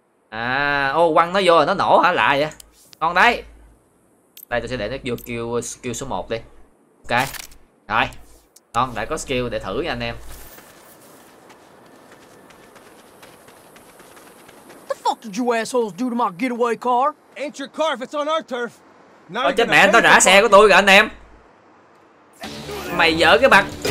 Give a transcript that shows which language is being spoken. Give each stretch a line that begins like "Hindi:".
Vietnamese: À, ô quăng nó vô rồi nó nổ hả? Lạ vậy. Ngon đấy. Đây tôi sẽ để nó vô skill số 1 đi. Ok. Rồi. Ngon, đã có skill để thử nha anh em.
English: The fuck did you assholes do to my getaway car? Ain't your car if it's on our turf.
Vietnamese: Ôi chết mẹ, anh tao rã xe của tôi rồi anh em. Mày dở cái mặt.